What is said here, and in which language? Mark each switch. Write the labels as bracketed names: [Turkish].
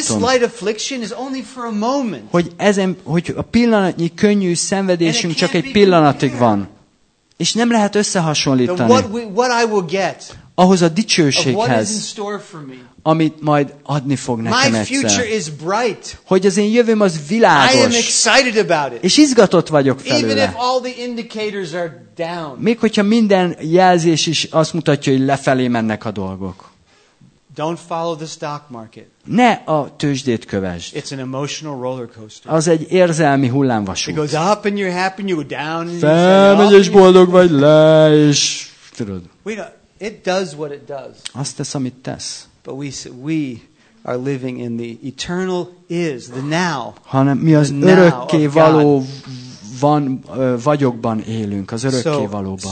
[English] That this light affliction is only for a moment. [Hungarian] Hogy ezen, hogy a pillanatnyi könnyű szenvedésünk csak egy pillanatig van. És nem lehet összehasonlítani. [English] What I will get. [Hungarian] Ahhoz a dicsőséghez. [English] What is in store for me. [Hungarian] Amit majd adni fog nekem egyszer. [English] My future is bright. [Hungarian] Hogy az én jövőm az világos. [English] I am excited about it. [Hungarian] És izgatott vagyok felőle. [English] Even if all the indicators are down. [Hungarian] Még hogyha minden jelzés is azt mutatja, hogy lefelé mennek a dolgok. [English] Don't follow the stock market. [Hungarian] Ne a tőzsdét kövesd. [English] It's an emotional roller coaster. [Hungarian] Az egy érzelmi hullámvasút. [English] It goes up and you're happy and you go down. [Hungarian] Felmegy és boldog vagy le, és tudod. [English] It does what it does. [Hungarian] Azt tesz, amit tesz. [English] But we are living in the eternal is, the now. [Hungarian] Hanem mi az örökké való van, vagyokban élünk, az örökké valóban.